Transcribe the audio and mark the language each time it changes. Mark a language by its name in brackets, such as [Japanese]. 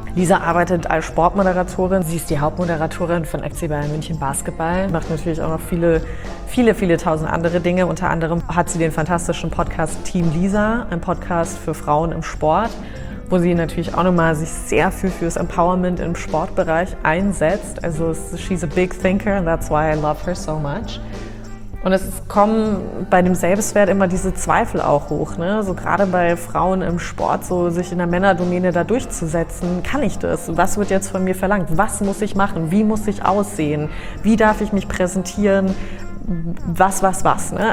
[German] Lisa arbeitet als Sportmoderatorin. Sie ist die Hauptmoderatorin von FC Bayern München Basketball. Macht natürlich auch noch viele, viele, viele tausend andere Dinge. Unter anderem hat sie den fantastischen Podcast Team Lisa, ein Podcast für Frauen im Sport, wo sie natürlich auch nochmal sich sehr viel fürs Empowerment im Sportbereich einsetzt. [English] Also she's a big thinker and that's why I love her so much. [German] Und es kommen bei dem Selbstwert immer diese Zweifel auch hoch, ne? So gerade bei Frauen im Sport, so sich in der Männerdomäne da durchzusetzen. Kann ich das? Was wird jetzt von mir verlangt? Was muss ich machen? Wie muss ich aussehen? Wie darf ich mich präsentieren? Was, ne?